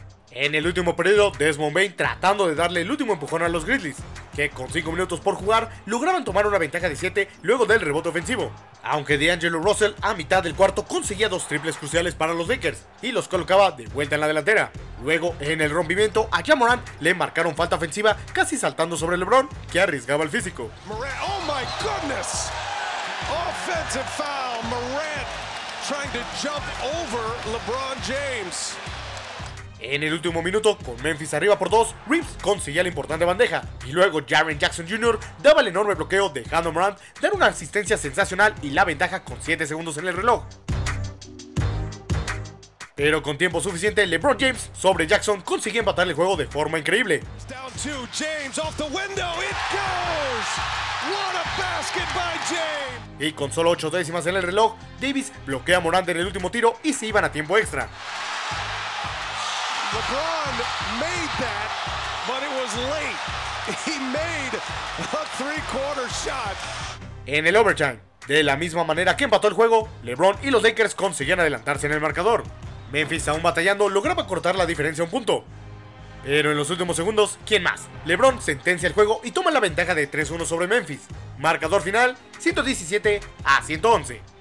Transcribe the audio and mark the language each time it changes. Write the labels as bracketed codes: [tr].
[es] En el último periodo, Desmond Bane tratando de darle el último empujón a los Grizzlies, que con 5 minutos por jugar lograban tomar una ventaja de 7 luego del rebote ofensivo. Aunque D'Angelo Russell a mitad del cuarto conseguía 2 triples cruciales para los Lakers y los colocaba de vuelta en la delantera. Luego, en el rompimiento, a Ja Morant le marcaron falta ofensiva casi saltando sobre LeBron, que arriesgaba el físico. [en] Morant, oh my goodness. Offensive foul, Morant trying to jump over LeBron James. [es] En el último minuto, con Memphis arriba por 2, Reeves conseguía la importante bandeja. Y luego Jaren Jackson Jr. daba el enorme bloqueo, dejando a Morant dar una asistencia sensacional y la ventaja con 7 segundos en el reloj. Pero con tiempo suficiente, LeBron James sobre Jackson consiguió empatar el juego de forma increíble. [en] Down to James, off the window, it goes. What a basket by James. [es] Y con solo 8 décimas en el reloj, Davis bloquea a Morant en el último tiro y se iban a tiempo extra. [en] LeBron made that, but it was late. He made a three-quarter shot. [es] En el overtime, de la misma manera que empató el juego, LeBron y los Lakers conseguían adelantarse en el marcador. Memphis, aún batallando, lograba cortar la diferencia a un punto. Pero en los últimos segundos, ¿quién más? LeBron sentencia el juego y toma la ventaja de 3-1 sobre Memphis. Marcador final, 117 a 111.